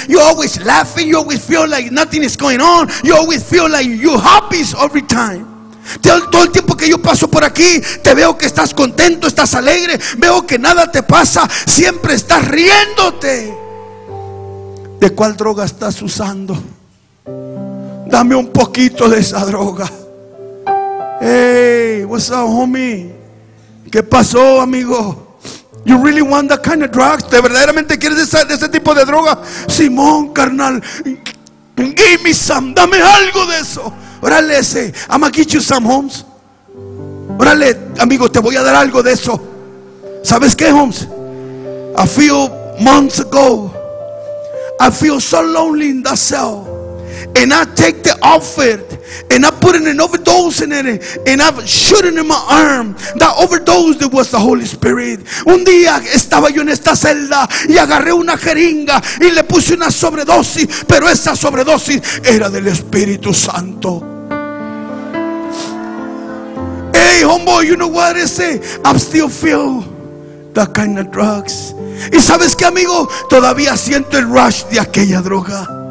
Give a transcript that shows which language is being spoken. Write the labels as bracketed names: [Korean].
[English] You always laughing, you always feel like nothing is going on. You always feel like you're happy every time. [Spanish] Todo el tiempo que yo paso por aquí, te veo que estás contento, estás alegre. Veo que nada te pasa, siempre estás riéndote. ¿De cuál droga estás usando? Dame un poquito de esa droga. [English] Hey, what's up, homie? [Spanish] ¿Qué pasó, amigo? [English] You really want that kind of drug? [Spanish] ¿Te verdaderamente quieres de ese tipo de droga? Simón, carnal, [English] Give me some, [Spanish] dame algo de eso. Órale, ese, [English] I'm gonna get you some, Holmes. [Spanish] Órale, amigo, te voy a dar algo de eso. ¿Sabes qué, [English] Holmes? A few months ago, I feel so lonely in that cell. And I take the offer, and I put in an overdose in it, and I've shot it in my arm. That overdose, it was the Holy Spirit. [Spanish] Un día estaba yo en esta celda y agarré una jeringa y le puse una sobredosis, pero esa sobredosis era del Espíritu Santo. [English] Hey, homeboy, you know what I say? I still feel that kind of drugs. [Spanish] Y sabes qué, amigo, todavía siento el rush de aquella droga.